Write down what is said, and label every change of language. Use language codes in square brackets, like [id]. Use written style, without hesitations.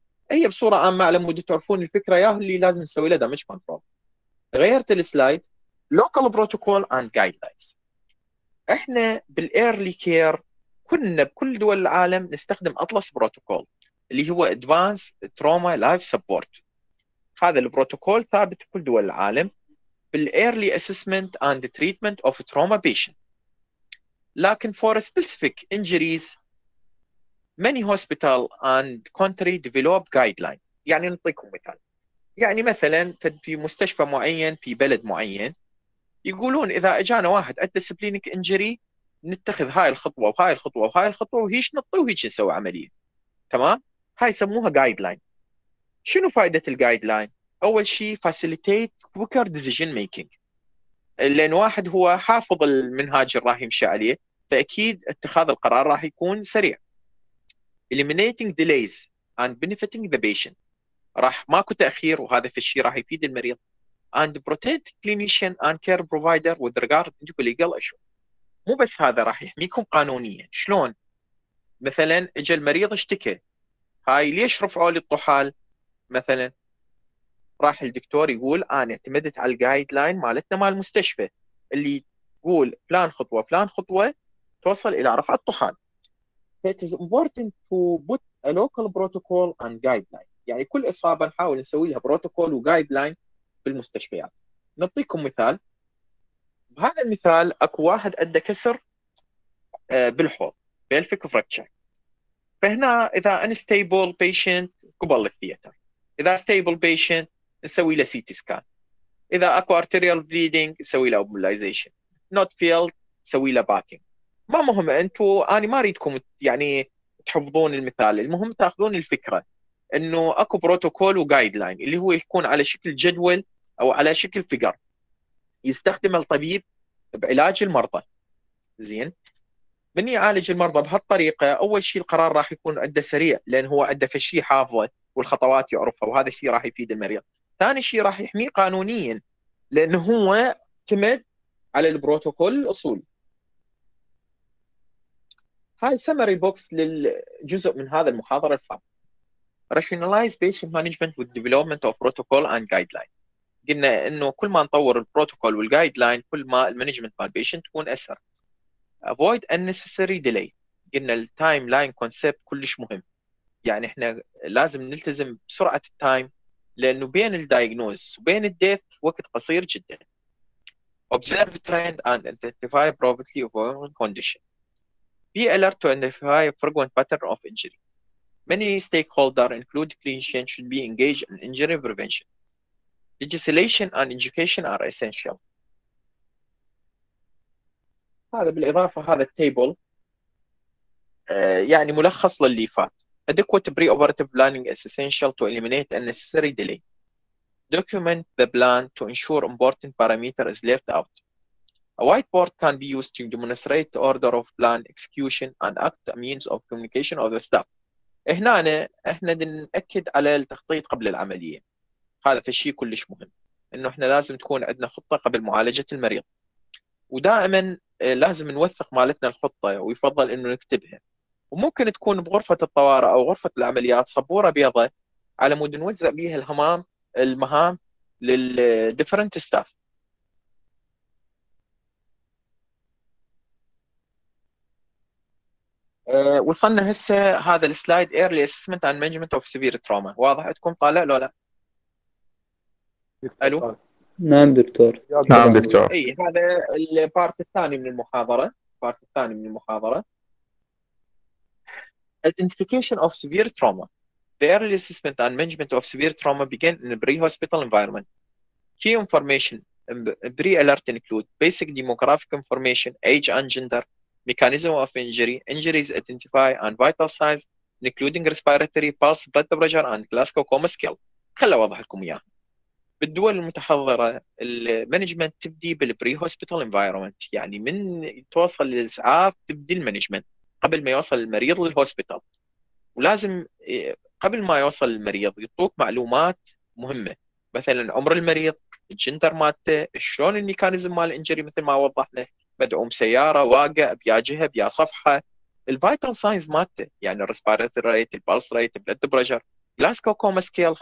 [ar] هي بصوره عامه على مود تعرفون الفكره يا اللي لازم نسوي له دامج كنترول. غيرت السلايد، [en] Local protocol and guidelines. [ar] احنا بالايرلي كير كنا بكل دول العالم نستخدم اطلس بروتوكول اللي هو ادفانس تروما لايف سبورت. هذا البروتوكول ثابت بكل دول العالم [en] بالearly assessment and the treatment of a trauma patient. لكن for specific injuries many hospital and country develop guideline. [ar] يعني نعطيكم مثال، يعني مثلا في مستشفى معين في بلد معين يقولون اذا اجانا واحد عند سبلينك انجري نتخذ هاي الخطوه وهاي الخطوه وهاي الخطوه وهيش نطوي وهيش نسوي عمليه. تمام، هاي يسموها guideline. شنو فائده الguideline؟ اول شيء [en] facilitate quicker decision making, [ar] لان واحد هو حافظ المنهاج اللي راح يمشي عليه فاكيد اتخاذ القرار راح يكون سريع. [en] eliminating delays and benefiting the patient, [ar] راح ماكو تاخير وهذا في الشيء راح يفيد المريض. [en] And protect clinician and care provider with regard to legal issue. [ar] مو بس هذا راح يحميكم قانونيا، شلون مثلا اجى المريض اشتكى هاي ليش رفعوا لي الطحال مثلا، راح الدكتور يقول انا اعتمدت على الجايد لاين مالتنا مال المستشفى اللي تقول فلان خطوه فلان خطوه توصل الى رفع الطحال. [en] It is important to put a local protocol and guideline. [ar] يعني كل اصابه نحاول نسوي لها بروتوكول وجايد لاين بالمستشفيات. نعطيكم مثال، بهذا المثال اكو واحد ادى كسر بالحوض بالفيك فراكشر، فهنا اذا [en] unstable patient [ar] قبل الثياتر، اذا [en] stable patient [ar] نسوي له سي تي سكان، اذا اكو ارتيريال بليدنج نسوي له امبولايزيشن، [en] not failed [ar] نسوي له باكينج. ما مهم انتم، انا ما اريدكم يعني تحفظون المثال، المهم تاخذون الفكره انه اكو بروتوكول وجايد لاين اللي هو يكون على شكل جدول او على شكل فيجر يستخدم الطبيب بعلاج المرضى. زين من يعالج المرضى بهالطريقه اول شيء القرار راح يكون عنده سريع لان هو عنده فشي حافظه والخطوات يعرفها وهذا الشيء راح يفيد المريض. ثاني شيء راح يحميه قانونيا لانه هو اعتمد على البروتوكول الاصول. هاي سمري بوكس للجزء من هذا المحاضره الفام. [en] Rationalize patient management with development of protocol and guideline. [ar] قلنا انه كل ما نطور البروتوكول والجايد لاين كل ما المانجمنت مال بيشنت تكون اسهل. [en] Avoid unnecessary delay. [ar] قلنا التايم لاين كونسبت كلش مهم، يعني احنا لازم نلتزم بسرعه التايم لانه بين الدايجنوز وبين الديث وقت قصير جدا. [en] Observe trend and identify probability of ongoing condition. Be alert to identify frequent pattern of injury. Many stakeholders include clinician should be engaged in injury prevention. Legislation and education are essential. [ar] هذا بالإضافة هذا التيبل يعني ملخص للي فات. [en] Adequate pre-operative planning is essential to eliminate unnecessary delay. Document the plan to ensure important parameter is left out. A whiteboard can be used to demonstrate the order of plan execution and act a means of communication of the staff. [ar] هنا احنا بنأكد على التخطيط قبل العملية. هذا في شيء كلش مهم. انه احنا لازم تكون عندنا خطة قبل معالجة المريض. ودائما لازم نوثق مالتنا الخطة ويفضل انه نكتبها. وممكن تكون بغرفة الطوارئ او غرفة العمليات صبورة بيضة على مود نوزع بيها الهمام المهام للديفرنت ستاف. وصلنا هسه هذا السلايد [en] early assessment and management of severe trauma. [ar] واضح عندكم طالع لو لا؟ الو نعم دكتور. نعم دكتور. اي هذا البارت الثاني من المحاضرة. البارت الثاني من المحاضرة [en] identification of severe trauma. The early assessment and management of severe trauma begin in a pre-hospital environment. Key information in pre-alert include basic demographic information, age and gender, mechanism of injury, injuries identify and vital signs, including respiratory, pulse, blood pressure, and Glasgow Coma Scale. [ar] خلا واضح لكم إياه. بالدول المتحضرة, management تبدي بالpre-hospital environment. يعني من توصل للإسعاف تبدي management قبل ما يوصل المريض للhospital. ولازم قبل ما يوصل المريض يعطوك معلومات مهمة, مثلا عمر المريض, الجندر مالته, شلون الميكانيزم مال الانجري مثل ما وضحنا, مدعوم سيارة, واقع بيا جهة بيا صفحة, الفايتال ساينز مالته يعني الريسبيراتوري ريت, البالس ريت, بلد بريشر, جلاسكو كوما سكيل.